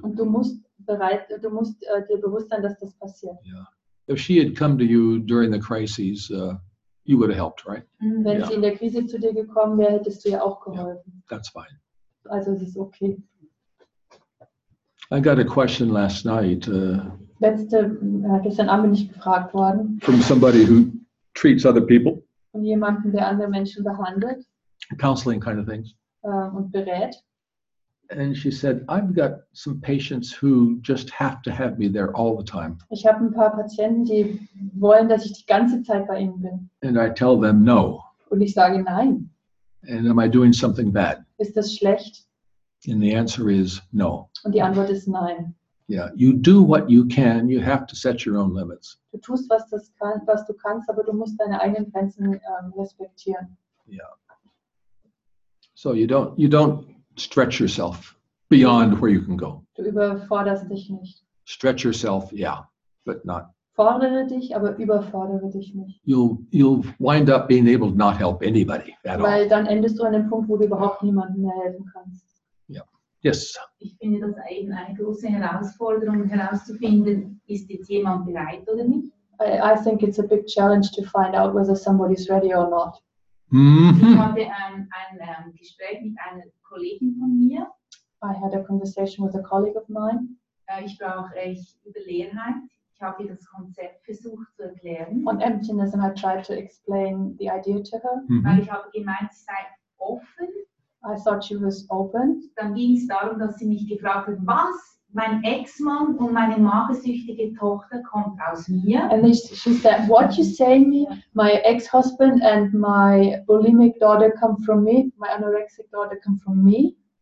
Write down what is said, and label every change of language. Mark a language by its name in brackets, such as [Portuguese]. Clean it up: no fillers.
[German] Und du musst dir bewusst sein, dass das passiert. [English] Yeah. If she had come to you during the crises, you would have helped, right? [German] Wenn sie in der Krise zu dir gekommen wäre, hättest du ihr auch geholfen. [English] Yeah, that's fine. [German] Also es ist okay. [English] I got a question last night. [German] Gestern Abend bin ich gefragt worden. [English] From somebody who treats other people. [German] Von jemandem, der andere Menschen behandelt. [English] Counseling kind of things. [German] Und berät. [English] And she said, I've got some patients who just have to have me there all the time. [German] Ich habe ein paar Patienten, die wollen, dass ich die ganze Zeit bei ihnen bin. [English] And I tell them no. [German] Und ich sage nein. [English] And am I doing something bad? [German] Ist das schlecht? [English] And the answer is no. [German] Und die Antwort ist nein. [English] Yeah, you do what you can, you have to set your own limits. [German] Du tust, was du kannst, aber du musst deine eigenen Grenzen respektieren. [English] Yeah. So you don't stretch yourself beyond where you can go. [German] Du überforderst dich nicht. [English] Stretch yourself, yeah, but not. [German] Fordere dich, aber überfordere dich nicht. [English] You'll wind up being able to not help anybody at [German] Weil [English] all. [German] Weil dann endest du an dem Punkt, wo du überhaupt niemandem mehr helfen kannst. [English] Yes. [German] Ich finde das eben eine große Herausforderung herauszufinden, ist jetzt jemand bereit oder nicht? [English] I think it's a big challenge to find out whether somebody's ready or not. Mm-hmm. [German] Ich hatte ein Gespräch mit einer Kollegin von mir. [English] I had a conversation with a colleague of mine. [German] Ich brauche echt Überlegenheit. Ich habe ihr das Konzept versucht zu erklären. [English] On emptiness, and I tried to explain the idea to her. [German] Mm-hmm. Weil ich habe gemeint, sie sei offen. [English] I thought she was open. [German] Dann ging es darum, dass sie mich gefragt hat, was mein Ex-Mann und meine magersüchtige Tochter kommt aus mir. [English] And she said, what you say me, my ex-husband and my bulimic daughter come from me, my anorexic daughter come from me.